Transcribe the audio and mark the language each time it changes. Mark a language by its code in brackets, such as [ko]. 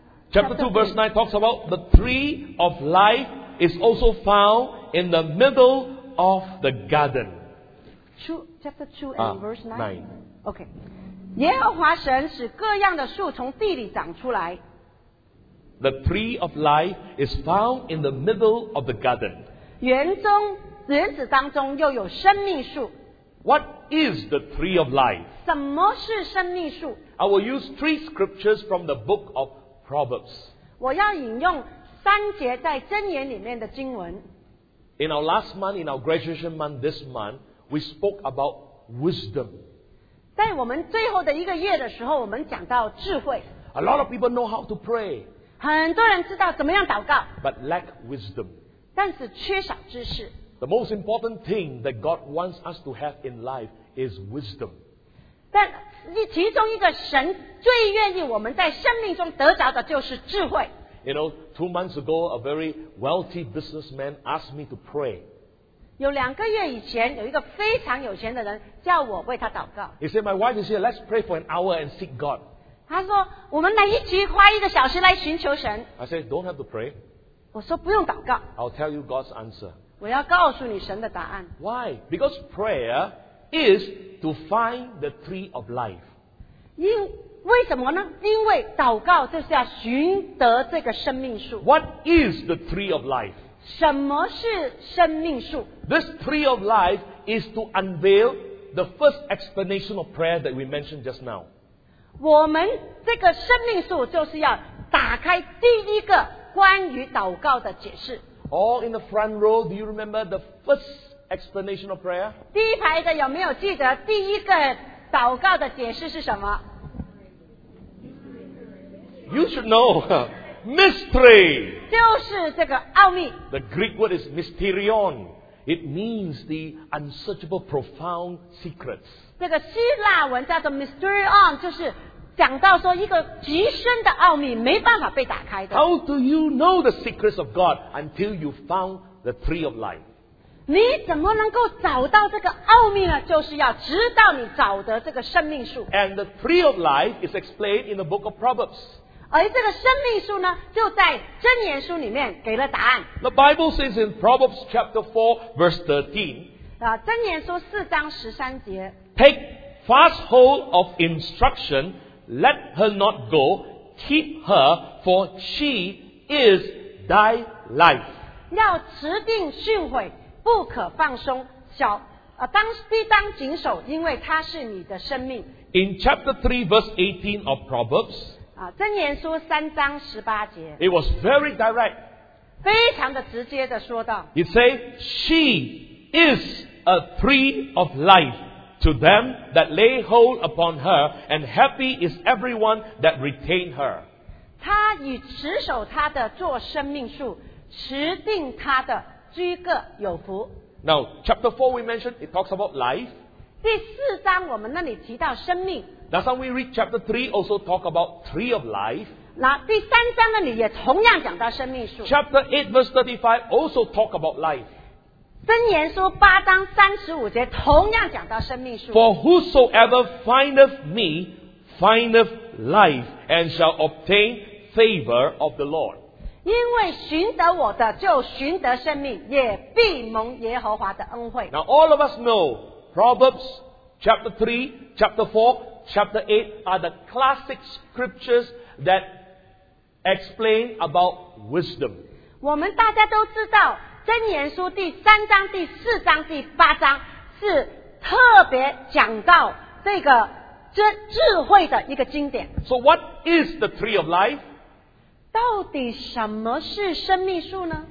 [en] Chapter 2 verse 9 talks about the tree of life is also found in the middle of the garden. Chapter 2 and verse 9. [zh] OK， 耶和华神使各样的树从地里长出来。 [en] The tree of life is found in the middle of the garden. [zh] 园子当中又有生命树。 [en] What is the tree of life? [zh] 什么是生命树？ [en] I will use three scriptures from the book of Proverbs. [zh] 我要引用三节在箴言里面的经文。 [en] In our last month, in our graduation month this month, we spoke about wisdom. [zh] 在我们最后的一个月的时候，我们讲到智慧。 [en] A lot of people know how to pray. [zh] 很多人知道怎么样祷告。 [en] But lack wisdom. [zh] 但是缺少知识。 [en] The most important thing that God wants us to have in life is wisdom. [zh] 但其中一个神最愿意我们在生命中得着的就是智慧。 [en] You know, 2 months ago, a very wealthy businessman asked me to pray. [zh] 有两个月以前，有一个非常有钱的人叫我为他祷告。 [en] He said, "My wife is here. Let's pray for an hour and seek God." [zh] 他说，我们来一起花一个小时来寻求神。 [en] I said, "Don't have to pray." [zh] 我说不用祷告。 [en] I'll tell you God's answer. [zh] 我要告诉你神的答案。 [en] Why? Because prayer is to find the tree of life. [zh] 为什么呢？因为祷告就是要寻得这个生命树。 [en] What is the tree of life? [zh] 什么是生命树？ [en] This tree of life is to unveil the first explanation of prayer that we mentioned just now. [zh] 我们这个生命树就是要打开第一个关于祷告的解释。 [en] All in the front row, do you remember the first explanation of prayer? [zh] 第一排的有没有记得第一个祷告的解释是什么？ [en] You should know. Mystery. [zh] 就是这个奥秘。 [en] The Greek word is mysterion. It means the unsearchable, profound secrets. [zh] 这个希腊文叫做 mysterion， 就是讲到说一个极深的奥秘没办法被打开的。 [en] How do you know the secrets of God until you found the tree of life? [zh] 你怎么能够找到这个奥秘呢？就是要直到你找得这个生命树。 [en] And the tree of life is explained in the book of Proverbs. [zh] 而这个生命树呢，就在箴言书里面给了答案。 [en] The Bible says in Proverbs chapter 4 verse 13. [zh] 箴言书四章十三节。 [en] Take fast hold of instruction, let her not go, keep her, for she is thy life. [zh] 要持定训诲，不可放松，小当必当谨守，因为她是你的生命。 [en] In chapter 3, verse 18 of Proverbs, [zh] 箴言书三章十八节, [en] it was very direct. [zh] 非常的直接的说道, [en] it says, she is a tree of life to them that lay hold upon her, and happy is everyone that retain her. [zh] 她与持守她的做生命树, 持定她的居各有福。 [en] Now, chapter 4 we mentioned, it talks about life. [zh] 第四章我们那里提到生命。 [en] Doesn't we read chapter 3 also talk about tree of life? [zh] 那第三章那里也同样讲到生命树。 [en] Chapter 8 verse 35 also talk about life. [zh] 箴言书八章三十五节同样讲到生命树。 [en] For whosoever findeth me findeth life and shall obtain favor of the Lord. [zh] 因为寻得我的就寻得生命，也必蒙耶和华的恩惠。 [en] Now all of us know,Proverbs chapter 3, chapter 4, chapter 8 are the classic scriptures that explain about wisdom. [zh] 我们大家都知道箴言书第三章、第四章、第八章是特别讲到这个智慧的一个经典。 [en] So what is the tree of life? [zh] 到底什么是生命树呢？